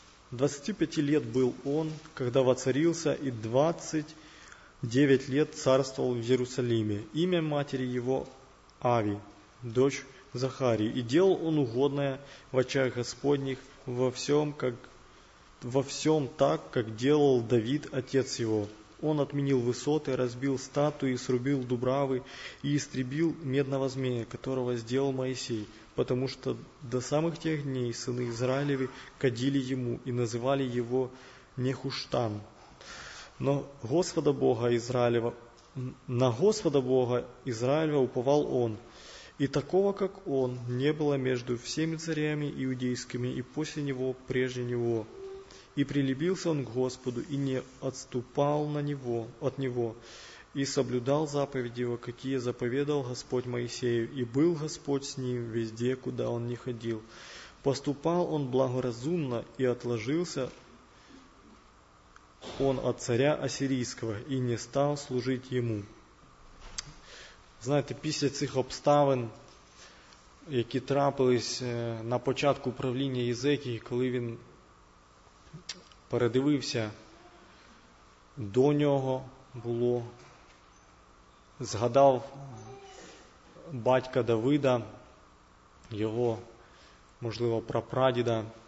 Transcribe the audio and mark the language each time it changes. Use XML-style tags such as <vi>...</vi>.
<ru>25 лет був он, когда воцарился, і 29 лет царствовал в Єрусалимі.</ru> <uk>Ім'я матері його Аві,</uk> <ru>дочь Захарії, і діл он угодне в очах Господніх во всем так, как делал Давид, отец его. Он отменил высоты, разбил статуи, срубил дубравы и истребил медного змея, которого сделал Моисей, потому что до самых тех дней сыны Израилевы кадили ему и называли его Нехуштан. Но Господа Бога Израилева, на Господа Бога Израилева уповал он, и такого, как он, не было между всеми царями иудейскими, и после него, прежде него. И прилепился он к Господу, и не отступал на него, от него, и соблюдал заповеди его, какие заповедал Господь Моисею, и был Господь с ним везде, куда он ни ходил. Поступал он благоразумно, и отложился он от царя Ассирийского, и не стал служить ему».</ru> <uk>Знаєте, після цих обставин, які трапились на початку правління Єзекії, коли він передивився, до нього було, згадав батька Давида, його, можливо, прапрадіда.</uk>